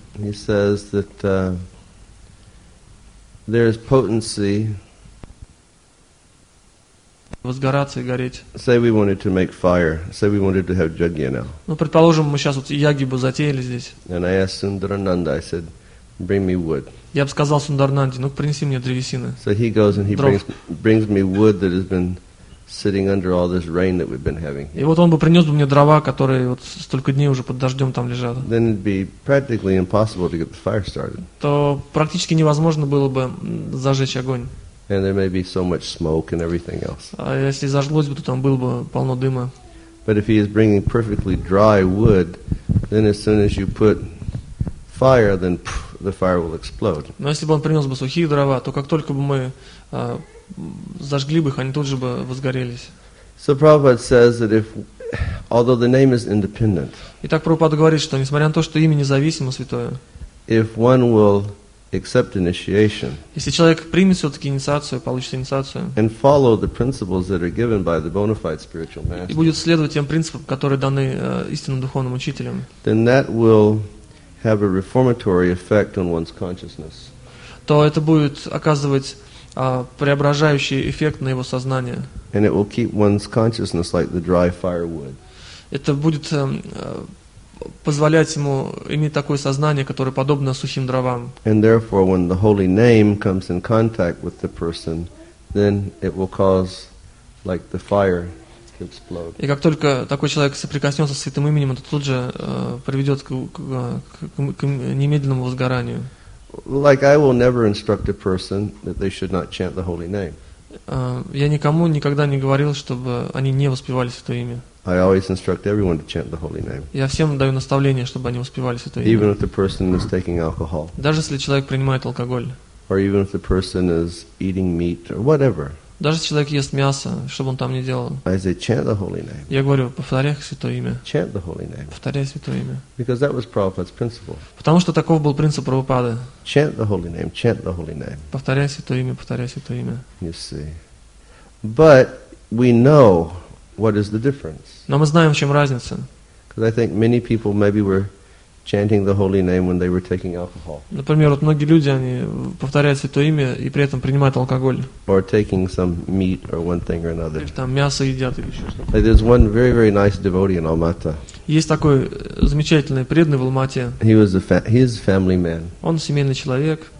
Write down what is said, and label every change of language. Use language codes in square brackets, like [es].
[en] He says that there is potency. [ru] Возгораться и гореть. [en] Say we wanted to make fire. Say we wanted to have yajna now. [ru] Ну, предположим, мы сейчас вот яги бы затеяли здесь. [en] And I asked Сундарананда, I said, bring me wood. [ru] Я бы сказал Сундарананде, ну-ка принеси мне древесины. [en] So he goes and he brings me wood that has been sitting under all this rain that we've been having. [ru] И вот он бы принес бы мне дрова, которые вот столько дней уже под дождем там лежат. [en] Then it'd be practically impossible to get the fire started. [ru] То практически невозможно было бы зажечь огонь. [en] And there may be so much smoke and everything else. [ru] А если зажглось бы, то там было бы полно дыма. [en] But if he is bringing perfectly dry wood, then as soon as you put fire, then the fire will explode. [ru] Но если бы он принес бы сухие дрова, то как только бы мы зажгли бы их, они тут же бы возгорелись. [en] So Prabhupada says that if, although the name is independent. [ru] Итак, Прабхупада говорит, что несмотря на то, что имя независимо святое. [en] If one will accept initiation. [ru] Если человек примет все-таки инициацию, получит инициацию. [en] And follow the principles that are given by the bona fide spiritual master. [ru] И будет следовать тем принципам, которые даны истинным духовным учителем. [en] Then that will have a reformatory effect on one's consciousness. [ru] То это будет оказывать преображающий эффект на его сознание. [en] And it will keep one's consciousness like the dry firewood. [ru] Это будет позволять ему иметь такое сознание, которое подобно сухим дровам. [en] And therefore, when the holy name comes in contact with the person, then it will cause, like the fire, to explode. [ru] И как только такой человек соприкоснется с святым именем, это тут же приведет к немедленному возгоранию. [en] Like I will never instruct a person that they should not chant the holy name. [ru] Я никому никогда не говорил, чтобы они не воспевали святое имя. [en] I always instruct everyone to chant the holy name. [ru] Я всем даю наставление, чтобы они воспевали святое имя. [en] Even if the person is taking alcohol. [ru] Даже если человек принимает алкоголь. [en] Or even if the person is eating meat or whatever. [ru] Даже если человек ест мясо, что бы он там ни делал. [en] I say, chant the holy name. [ru] Я говорю, повторяй святое имя. [en] Chant the holy name. [ru] Повторяй святое имя. [en] Because that was Prabhupada's principle. [ru] Потому что таков был принцип Прабхупады. [en] Chant the holy name. Chant the holy name. [ru] Повторяй святое имя. Повторяй святое имя. [en] You see, but we know. What is the difference? [ru] Но мы знаем, в чем разница. [en] Because I think many people maybe were chanting the holy name when they were taking alcohol. [ru] Например, вот многие люди они повторяют святое имя и при этом принимают алкоголь. [en] Or taking some meat or one thing or another. [ru] Или там мясо едят или еще что-то. [en] Like there's one very very nice devotee in Almaty. [ru] Есть такой замечательный преданный в Алмате. [en] He is a family man. [ru] Он семейный человек.